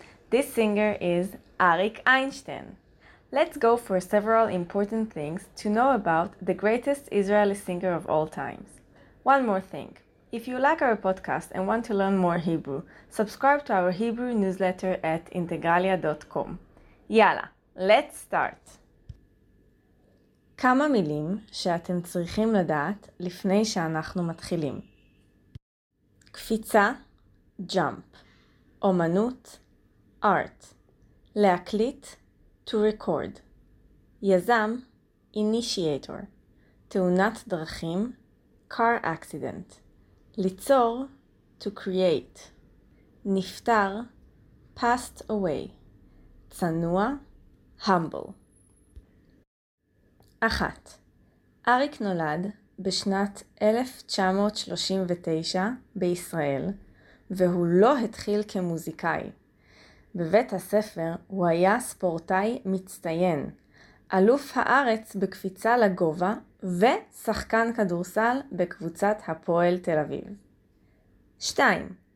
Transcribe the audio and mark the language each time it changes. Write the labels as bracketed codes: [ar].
[en] This singer is Arik Einstein. Let's go for several important things to know about the greatest Israeli singer of all times. One more thing. If you like our podcast and want to learn more Hebrew, subscribe to our Hebrew newsletter at integraliah.com. Yala, let's start! [he] כמה מילים שאתם צריכים לדעת לפני שאנחנו מתחילים. קפיצה, jump. אומנות, art. להקליט, to record. יזם, initiator. תאונת דרכים, car accident. ליצור, to create. נפטר, passed away. צנוע, humble. אחת. אריק נולד בשנת 1939 בישראל, והוא לא התחיל כמוזיקאי. בבית הספר הוא היה ספורטאי מצטיין, אלוף הארץ בקפיצה לגובה ושחקן כדורסל בקבוצת הפועל תל אביב. 2.